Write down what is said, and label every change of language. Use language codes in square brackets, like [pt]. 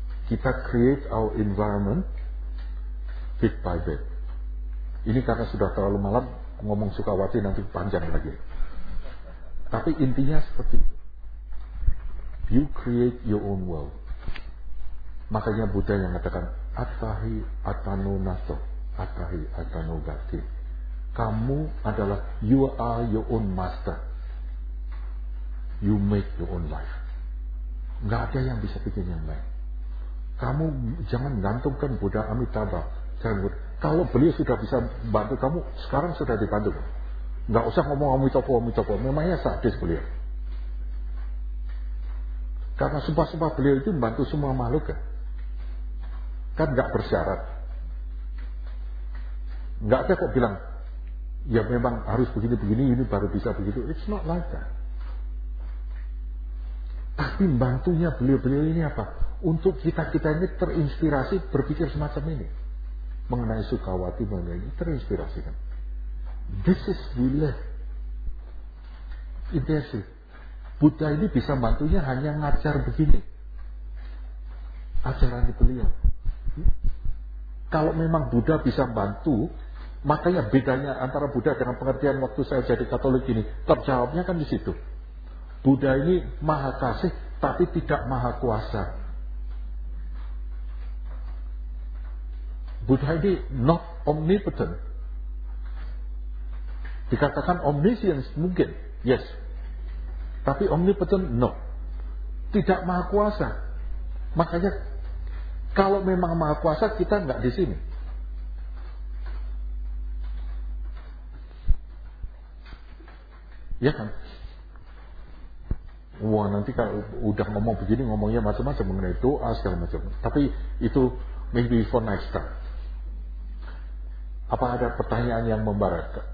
[en] Kita create our environment bit by bit. [id] Ini karena sudah terlalu malam, ngomong sukawati nanti panjang lagi. Tapi intinya seperti itu. [en] You create your own world. [id] Makanya Buddha yang mengatakan, Atahi Atano Naso, Atahi Atano Gati. Kamu adalah, [en] you are your own master. You make your own life. [id] Gak ada yang bisa bikin yang lain. Kamu jangan gantungkan Buddha Amitabha. Jangan, kalau beliau sudah bisa bantu kamu, sekarang sudah dibantu. Gak usah ngomong Amitabha. Memangnya sadis beliau. Karena sumpah-sumpah beliau itu membantu semua makhluk. kan gak bersyarat. Gak saya kok bilang, ya memang harus begini-begini, ini baru bisa begitu. [en] It's not like that. [id] Tapi bantunya beliau-beliau ini apa? Untuk kita-kita ini terinspirasi berpikir semacam ini. Mengenai Sukawati, mengenai ini, terinspirasi kan. [en] This is really intensive. [id] Buddha ini bisa bantunya hanya ngajar begini. Ajaran di beliau. Kalau memang Buddha bisa bantu, makanya bedanya antara Buddha dengan pengertian waktu saya jadi Katolik ini, terjawabnya kan di situ. Buddha ini maha kasih, tapi tidak maha kuasa. Buddha ini [en] not omnipotent. [id] Dikatakan omniscience mungkin, yes. Tapi omnipotent, no. Tidak maha kuasa. Makanya, kalau memang maha kuasa, kita enggak di sini. Ya kan? Wah, nanti kalau udah ngomong begini, ngomongnya macam-macam mengenai doa, segala macam. Tapi itu [en] maybe for next time. [id] Apa ada pertanyaan yang membara?